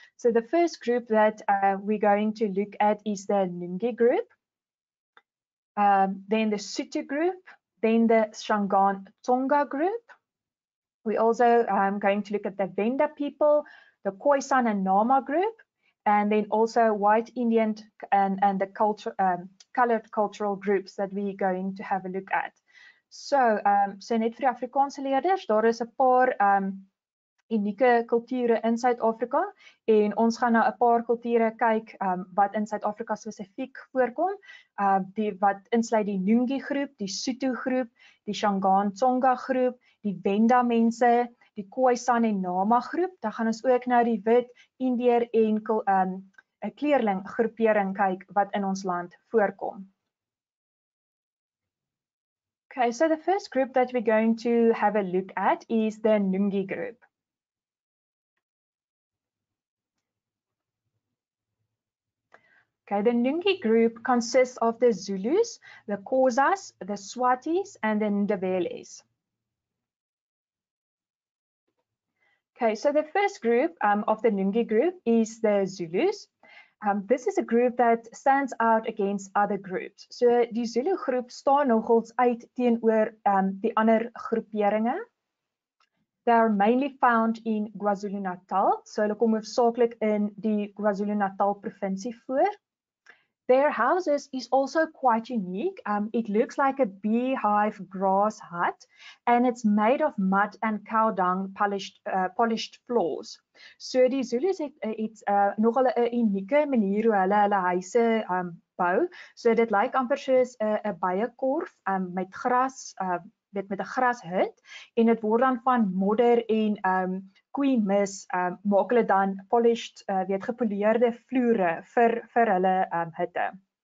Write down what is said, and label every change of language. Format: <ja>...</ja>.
<en>So the first group that we're going to look at is the Nungi group, then the Sotho group, then the Shangaan Tsonga group. We're also going to look at the Venda people, the Khoisan and Nama group, and then also White Indian and the colored cultural groups that we're going to have a look at.</en> <af>So net vir die Afrikaanse leerders, daar is 'n paar unieke kulture in Suid-Afrika en ons gaan na 'n paar kulture kyk wat in Suid-Afrika spesifiek voorkom, die wat insluit die Nungi groep, die Sotho groep, die Shangaan Tsonga groep, die Venda mense, die Khoisan en Nama groep. Dan gaan ons ook nou die Wit, Indeer en 'n kleerling groepering kyk wat in ons land voorkom.</af> <en>Okay, so the first group that we're going to have a look at is the Nungi group. Okay, the Nungi group consists of the Zulus, the Khoisas, the Swatis, and the Ndebeles. Okay, so the first group of the Nungi group is the Zulus. This is a group that stands out against other groups.</en> <af>So die Zulu groep staan nogals uit teenoor die ander groeperinge.</af> <en>They are mainly found in KwaZulu-Natal,</en> <af>so hulle kom hoofsaaklik in die KwaZulu-Natal provinsie voor.</af> <en>Their houses is also quite unique. It looks like a beehive grass hut, and it's made of mud and cow dung polished floors.</en> <af>So die Zulus het nogal 'n unieke manier hoe hulle huise bou. So dit lyk amper soos 'n bijekorf met gras, dit met 'n grashut, en dit word dan van modder en queen mis maak hulle dan</af> <en>polished</en> <af>weet gepoleerde vloere vir hulle hutte.</af>